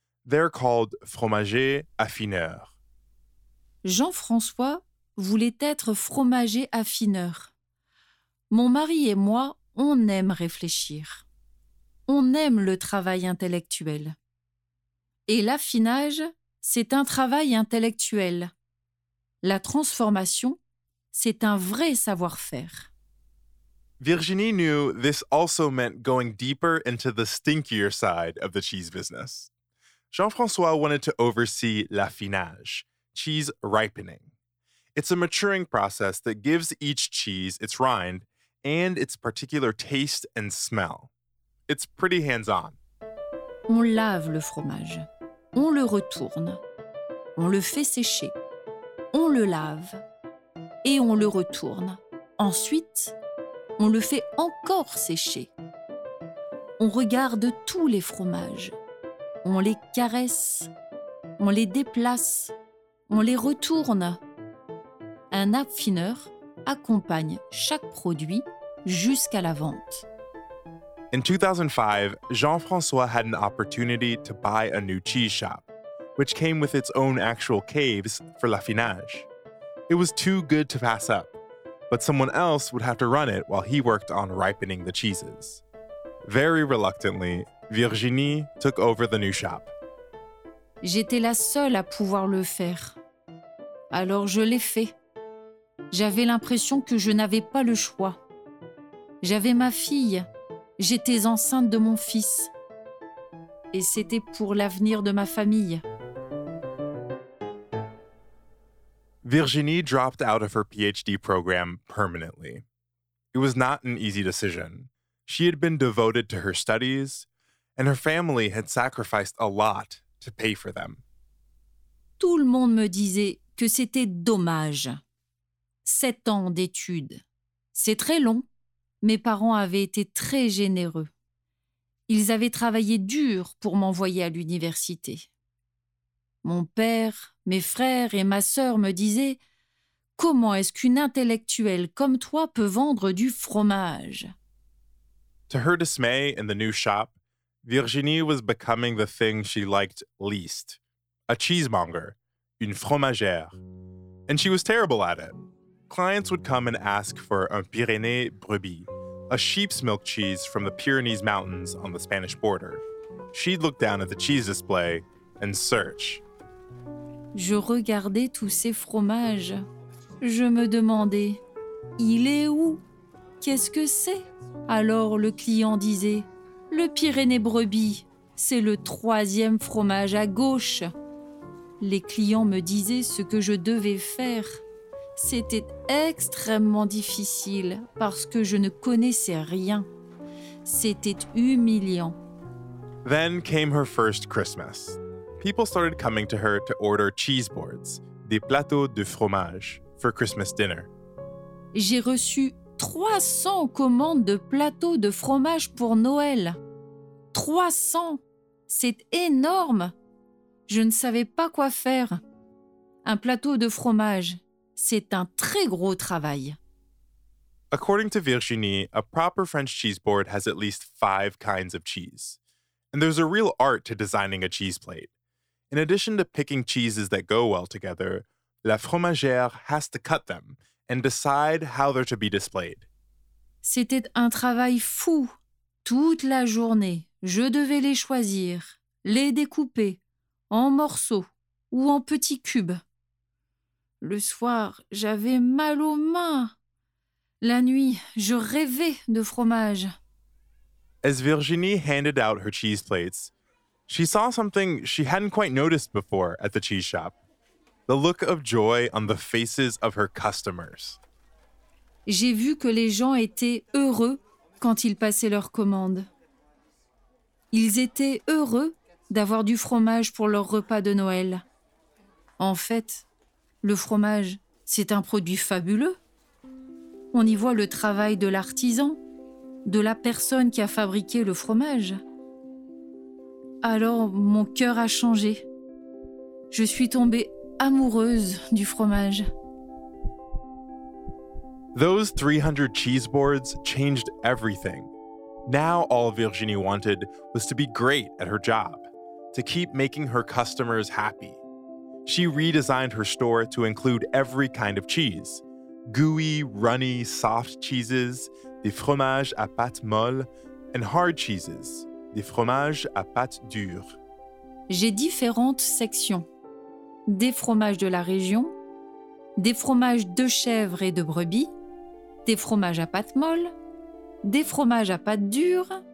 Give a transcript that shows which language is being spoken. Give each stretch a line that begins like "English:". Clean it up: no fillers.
English: They're called
French: fromagers affineurs. Jean-François voulait être fromager affineur. Mon mari et moi, on aime réfléchir. On aime le travail intellectuel. Et l'affinage, c'est un travail intellectuel. La transformation, c'est un vrai savoir-faire.
English: Virginie knew this also meant going deeper into the stinkier side of the cheese business. Jean-François wanted to oversee l'affinage, cheese ripening. It's a maturing process that gives each cheese its rind and its particular taste and smell. It's pretty hands-on.
French: On lave le fromage. On le retourne. On le fait sécher. On le lave. Et on le retourne. Ensuite, on le fait encore sécher. On regarde tous les fromages. On les caresse. On les déplace. On les retourne. Un affineur accompagne chaque produit jusqu'à la vente.
English: In 2005, Jean-François had an opportunity to buy a new cheese shop, which came with its own actual caves for l'affinage. It was too good to pass up, but someone else would have to run it while he worked on ripening the cheeses. Very reluctantly, Virginie took over the new shop.
French: J'étais la seule à pouvoir le faire. Alors je l'ai fait. J'avais l'impression que je n'avais pas le choix. J'avais ma fille. J'étais enceinte de mon fils. Et c'était pour l'avenir de ma famille.
English: Virginie dropped out of her PhD program permanently. It was not an easy decision. She had been devoted to her studies, and her family had sacrificed a lot to pay for them.
French: Tout le monde me disait que c'était dommage. 7 ans d'études, c'est très long. mes parents avaient été très généreux. Ils avaient travaillé dur pour m'envoyer à l'université. Mon père, mes frères et ma sœur me disaient « Comment est-ce qu'une intellectuelle comme toi peut vendre du fromage ?»
English: To her dismay in the new shop, Virginie was becoming the thing she liked least. A cheesemonger,
French: une fromagère.
English: And she was terrible at it. Clients would come and ask for
French: un Pyrénées brebis,
English: a sheep's milk cheese from the Pyrenees Mountains on the Spanish border. She'd look down at the cheese display and search.
French: Je regardais tous ces fromages. Je me demandais, il est où? Qu'est-ce que c'est? Alors le client disait, le Pyrénées brebis, c'est le troisième fromage à gauche. Les clients me disaient ce que je devais faire. C'était extrêmement difficile parce que je ne connaissais rien. C'était humiliant.
English: Then came her first Christmas. People started coming to her to order cheese boards,
French: des plateaux de fromage,
English: for Christmas dinner.
French: J'ai reçu 300 commandes de plateaux de fromage pour Noël. 300! C'est énorme! Je ne savais pas quoi faire. Un plateau de fromage, c'est un très gros travail.
English: According to Virginie, a proper French cheese board has at least 5 kinds of cheese. And there's a real art to designing a cheese plate. In addition to picking cheeses that go well together,
French: la fromagère
English: has to cut them and decide how they're to be displayed.
French: C'était un travail fou. Toute la journée, je devais les choisir, les découper, en morceaux ou en petits cubes. Le soir, j'avais mal aux mains. La nuit, je rêvais de fromage.
English: As Virginie handed out her cheese plates, she saw something she hadn't quite noticed before at the cheese shop. The look of joy on the faces of her customers.
French: J'ai vu que les gens étaient heureux quand ils passaient leurs commandes. Ils étaient heureux d'avoir du fromage pour leur repas de Noël. En fait, le fromage, c'est un produit fabuleux. On y voit le travail de l'artisan, de la personne qui a fabriqué le fromage. Alors, mon cœur a changé. Je suis tombée amoureuse du fromage.
English: Those 300 cheese boards changed everything. Now all Virginie wanted was to be great at her job, to keep making her customers happy. She redesigned her store to include every kind of cheese. Gooey, runny, soft cheeses,
French: des fromages à pâte molle,
English: and hard cheeses,
French: des fromages à pâte dure. J'ai différentes sections. Des fromages de la région, des fromages de chèvre et de brebis, des fromages à pâte molle, des fromages à pâte dure.